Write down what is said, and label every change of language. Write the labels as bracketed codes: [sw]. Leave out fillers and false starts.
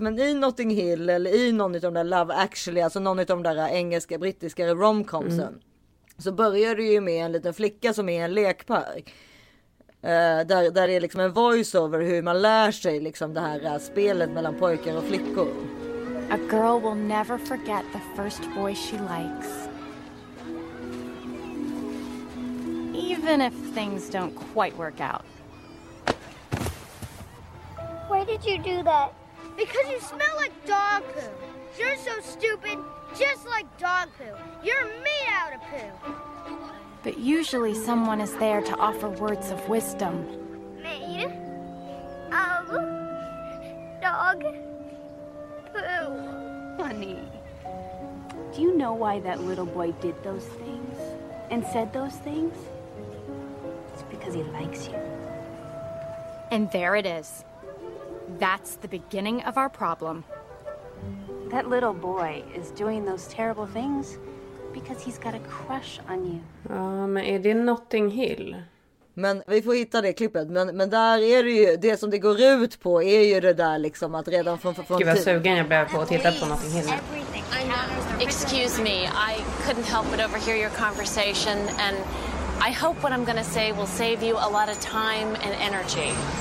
[sv] Men i Notting Hill eller i någon av de där Love Actually, alltså någon av de där engelska, brittiska romcomsen, så börjar det ju med en liten flicka som är i en lekpark. Där är liksom en voiceover hur man lär sig liksom det här spelet mellan pojkar och flickor. [en] A girl will never forget the first boy she likes. Even if things don't quite work out. Why did you do that? Because you smell like dog poo. You're so stupid, just like dog poo. You're me out of poo. But usually someone is there to offer words of wisdom. Maid, dog, poo. Honey, do you know why that little boy did those things and said those things? It's because he likes you. And there it is. That's the beginning of our problem. That little boy is doing those terrible things because he's got a crush on you. [sv] Ja, men är det Notting Hill? Men vi får hitta det klippet. Men där är det ju, det som det går ut på är ju det där liksom att redan från gud vad sugen jag blev på att titta på Notting Hill. [en] Excuse me, I couldn't help but overhear your conversation and I hope what I'm gonna say will save you a lot of time and energy.